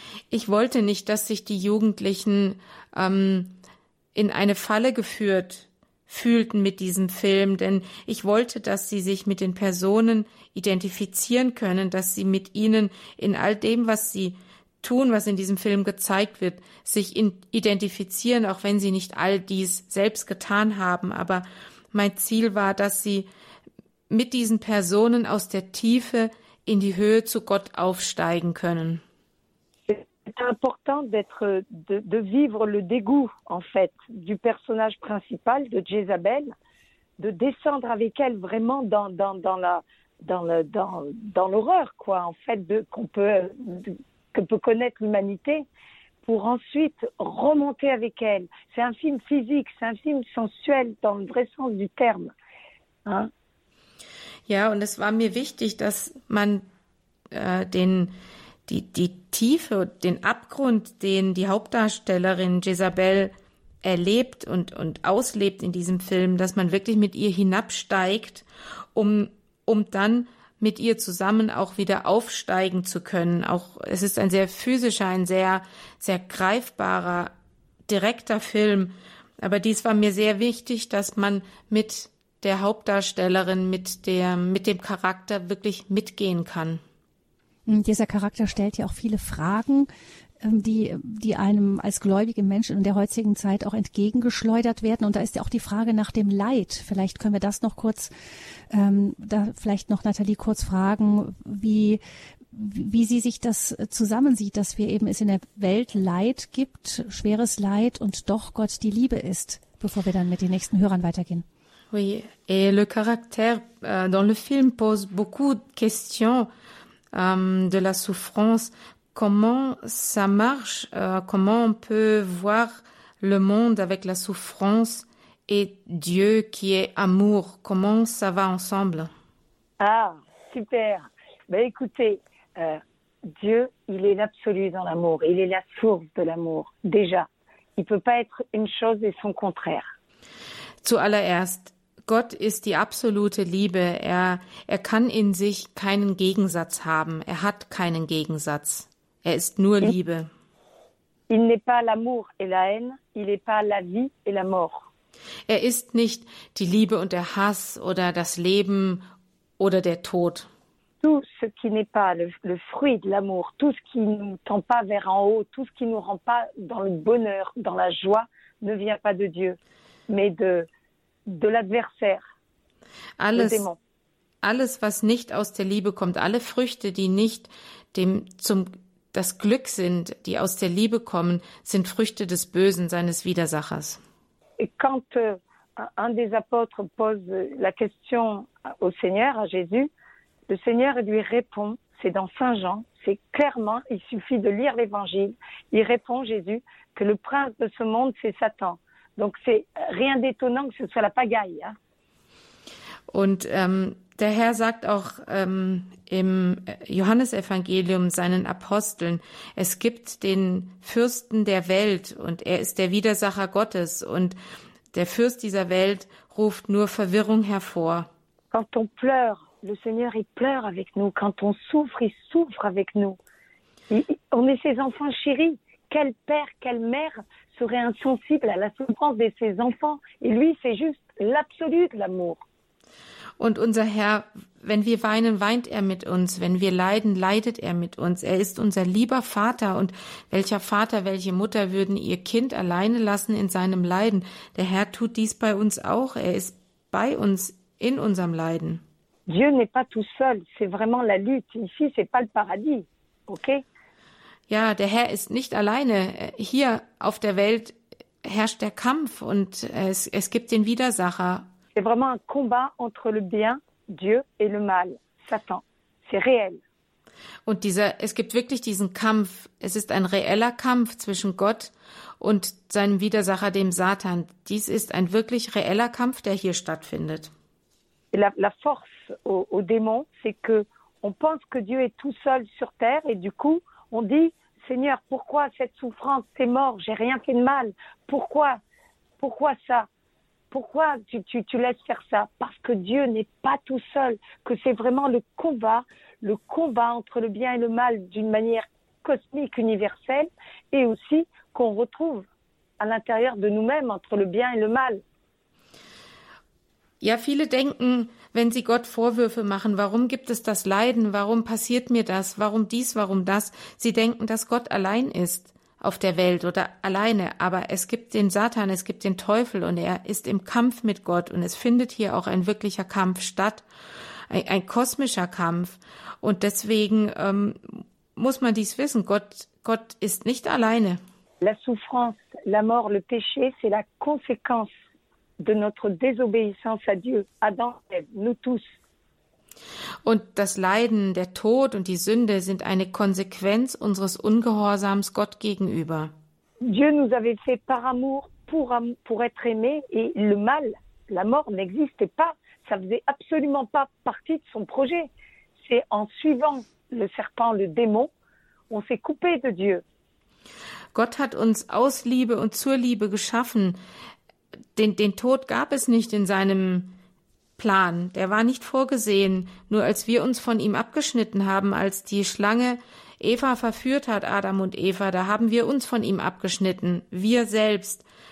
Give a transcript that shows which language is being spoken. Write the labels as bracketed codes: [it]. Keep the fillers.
[de] Ich wollte nicht, dass sich die Jugendlichen ähm, in eine Falle geführt fühlten mit diesem Film, denn ich wollte, dass sie sich mit den Personen identifizieren können, dass sie mit ihnen in all dem, was sie tun, was in diesem Film gezeigt wird, sich identifizieren, auch wenn sie nicht all dies selbst getan haben. Aber mein Ziel war, dass sie mit diesen Personen aus der Tiefe in die Höhe zu Gott aufsteigen können. [fr] C'est important d'être, de, de, vivre le dégoût, en fait, du personnage principal de Jézabel, de descendre avec elle vraiment dans, dans, dans la, dans, le, dans, dans l'horreur, quoi, en fait, de, qu'on peut, de, que peut connaître l'humanité, pour ensuite remonter avec elle. C'est un film physique, c'est un film sensuel dans le vrai sens du terme. Hein [de] Ja, und es war mir wichtig, dass man äh, den, die, die Tiefe, den Abgrund, den die Hauptdarstellerin Jezabel erlebt und, und auslebt in diesem Film, dass man wirklich mit ihr hinabsteigt, um, um dann mit ihr zusammen auch wieder aufsteigen zu können. Auch es ist ein sehr physischer, ein sehr, sehr greifbarer, direkter Film. Aber dies war mir sehr wichtig, dass man mit der Hauptdarstellerin, mit der, mit dem Charakter wirklich mitgehen kann. Dieser Charakter stellt ja auch viele Fragen, die, die einem als gläubige Menschen in der heutigen Zeit auch entgegengeschleudert werden. Und da ist ja auch die Frage nach dem Leid. Vielleicht können wir das noch kurz, ähm, da vielleicht noch Nathalie kurz fragen, wie, wie sie sich das zusammensieht, dass wir eben es in der Welt Leid gibt, schweres Leid und doch Gott die Liebe ist, bevor wir dann mit den nächsten Hörern weitergehen. [fr] Oui, et le caractère euh, dans le film pose beaucoup de questions euh, de la souffrance. Comment ça marche euh, Comment on peut voir le monde avec la souffrance et Dieu qui est amour Comment ça va ensemble Ah, super. Ben écoutez, Dieu, il est l'absolu dans l'amour. Il est la source de l'amour. Déjà, il peut pas être une chose et son contraire. [de] Zuallererst, Gott ist die absolute Liebe. Er, er kann in sich keinen Gegensatz haben. Er hat keinen Gegensatz. Er ist nur Liebe. [fr] Il n'est pas l'amour et la haine. Il n'est pas la vie et la mort. [de] Er ist nicht die Liebe und der Hass oder das Leben oder der Tod. [fr] Tout ce qui n'est pas le, le fruit de l'amour, tout ce qui nous tend pas vers en haut, tout ce qui nous rend pas dans le bonheur, dans la joie, ne vient pas de Dieu, mais de, de l'adversaire, le [de] Alles, [fr] démon. [de] alles, was nicht aus der Liebe kommt, alle Früchte, die nicht dem zum das Glück sind, die aus der Liebe kommen, sind Früchte des Bösen seines Widersachers. [fr] Et quand euh, un- un des apôtres pose euh, la question à- au Seigneur, à Jésus, le Seigneur lui répond, c'est dans Saint Jean, c'est clairement, il suffit de lire l'évangile, il répond Jésus que le prince de ce monde, c'est Satan. Donc c'est rien d'étonnant que ce soit la pagaille. hein. [de] Und ähm, der Herr sagt auch ähm, im Johannesevangelium seinen Aposteln, es gibt den Fürsten der Welt und er ist der Widersacher Gottes und der Fürst dieser Welt ruft nur Verwirrung hervor. [fr] Quand on pleure, le Seigneur, il pleure avec nous. Quand on souffre, il souffre avec nous. Il- il- on est ses enfants chéris. Quel père, quelle mère serait insensible à la souffrance de ses enfants Et lui, c'est juste l'absolu de l'amour. [de] Und unser Herr, wenn wir weinen, weint er mit uns, wenn wir leiden, leidet er mit uns. Er ist unser lieber Vater und welcher Vater, welche Mutter würden ihr Kind alleine lassen in seinem Leiden? Der Herr tut dies bei uns auch, er ist bei uns in unserem Leiden. [fr] Dieu n'est pas tout seul, c'est vraiment la lutte. Ici, c'est pas le paradis, ok [de] Ja, der Herr ist nicht alleine. Hier auf der Welt herrscht der Kampf und es, es gibt den Widersacher. [fr] C'est vraiment un combat entre le bien, Dieu, et le mal, Satan. C'est réel. [de] Und dieser, es gibt wirklich diesen Kampf. Es ist ein reeller Kampf zwischen Gott und seinem Widersacher, dem Satan. Dies ist ein wirklich reeller Kampf, der hier stattfindet. [fr] Et la, la force au, au démon, c'est que on pense que Dieu est tout seul sur terre et du coup, on dit Seigneur, pourquoi cette souffrance C'est mort, j'ai rien fait de mal. Pourquoi Pourquoi ça Pourquoi tu, tu, tu laisses faire ça Parce que Dieu n'est pas tout seul, que c'est vraiment le combat, le combat entre le bien et le mal d'une manière cosmique, universelle, et aussi qu'on retrouve à l'intérieur de nous-mêmes entre le bien et le mal. [de] Ja, viele denken, wenn sie Gott Vorwürfe machen, warum gibt es das Leiden? Warum passiert mir das? Warum dies? Warum das? Sie denken, dass Gott allein ist auf der Welt oder alleine. Aber es gibt den Satan, es gibt den Teufel und er ist im Kampf mit Gott und es findet hier auch ein wirklicher Kampf statt. Ein, ein kosmischer Kampf. Und deswegen ähm, muss man dies wissen. Gott, Gott ist nicht alleine. [fr] La souffrance, la mort, le péché, c'est la conséquence de notre désobéissance à Dieu, Adam, Ève, nous tous. [de] Und das Leiden, der Tod und die Sünde sind eine Konsequenz unseres Ungehorsams Gott gegenüber. [fr] Dieu nous avait fait par amour, pour, am- pour être aimé, et le mal, la mort n'existait pas. Ça faisait absolument pas partie de son projet. C'est en suivant le serpent, le démon, on s'est coupé de Dieu. [de] Gott hat uns aus Liebe und zur Liebe geschaffen. Den, den Tod gab es nicht in seinem Plan, der war nicht vorgesehen. Nur als wir uns von ihm abgeschnitten haben, als die Schlange Eva verführt hat, Adam und Eva, da haben wir uns von ihm abgeschnitten, wir selbst.